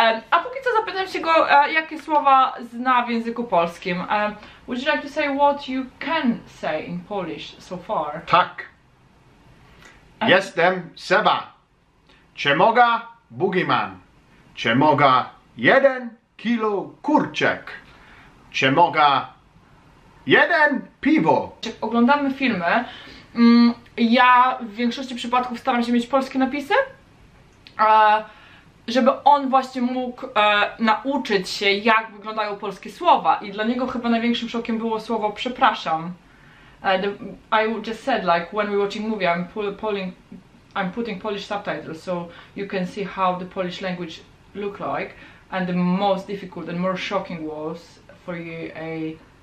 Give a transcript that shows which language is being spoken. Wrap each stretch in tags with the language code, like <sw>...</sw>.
<pl>A póki co zapytam się go, jakie słowa zna w języku polskim.</pl> <en>Would you like to say what you can say in Polish so far?</en> <pl>Tak. Jestem Seba. Czy mogę boogeyman? Czy mogę 1 kilo kurczek? Czy mogę 1 piwo? Jak oglądamy filmy, ja w większości przypadków staram się mieć polskie napisy, żeby on właśnie mógł nauczyć się, jak wyglądają polskie słowa. I dla niego chyba największym szokiem było słowo przepraszam.</pl> <en>I just said, like, when we're watching movie, I'm putting Polish subtitles, so you can see how the Polish language look like. And the most difficult and more shocking was for you a...</en>